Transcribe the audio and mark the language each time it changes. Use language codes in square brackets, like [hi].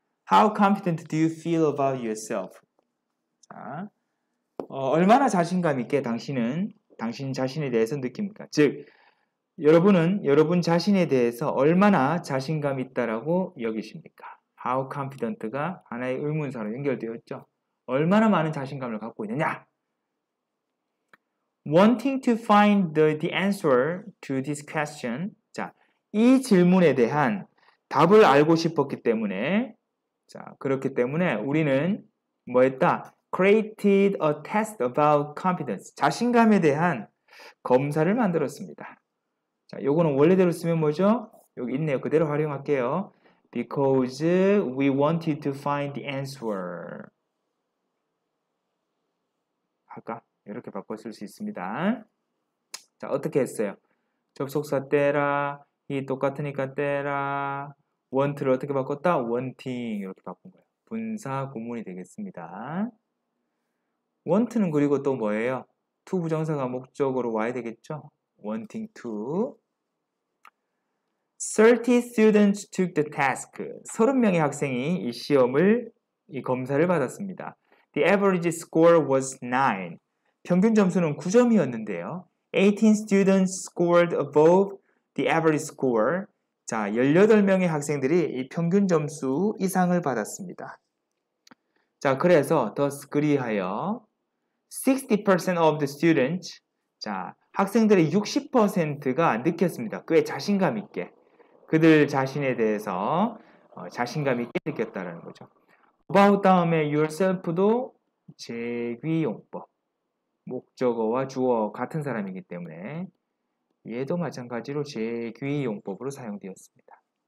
[en] How confident do you feel about yourself? [ko] 자, 얼마나 자신감 있게 당신 자신에 대해서 느낍니까? 즉, 여러분은 여러분 자신에 대해서 얼마나 자신감 있다라고 여기십니까? How confident가 하나의 의문사로 연결되었죠. 얼마나 많은 자신감을 갖고 있느냐? [en] Wanting to find the answer to this question. [ko] 자, 이 질문에 대한 답을 알고 싶었기 때문에, 자, 그렇기 때문에 우리는 뭐 했다? [en] Created a test about confidence. [ko] 자신감에 대한 검사를 만들었습니다. 자, 요거는 원래대로 쓰면 뭐죠? 여기 있네요. 그대로 활용할게요. [en] Because we wanted to find the answer. [ko] 할까? 이렇게 바꿔 쓸수 있습니다. 자, 어떻게 했어요? 접속사 때라, 이 똑같으니까 때라, want를 어떻게 바꿨다? wanting. 이렇게 바꾼 거예요. 분사 구문이 되겠습니다. want는 그리고 또 뭐예요? to 부정사가 목적으로 와야 되겠죠? [en] wanting to. 30 students took the task. [ko] 30명의 학생이 이 시험을, 이 검사를 받았습니다. [en] The average score was 9. [ko] 평균 점수는 9점이었는데요. [en] 18 students scored above the average score. [ko] 자, 18명의 학생들이 이 평균 점수 이상을 받았습니다. 자, 그래서 [en] thus [ko] 그리하여 [en] 60% of the students. [ko] 자, 학생들의 60%가 느꼈습니다. 꽤 자신감 있게. 그들 자신에 대해서 자신감 있게 느꼈다라는 거죠. About 다음에 yourself도 제귀용법. 목적어와 주어 같은 사람이기 때문에 얘도 마찬가지로 제귀용법으로 사용되었습니다.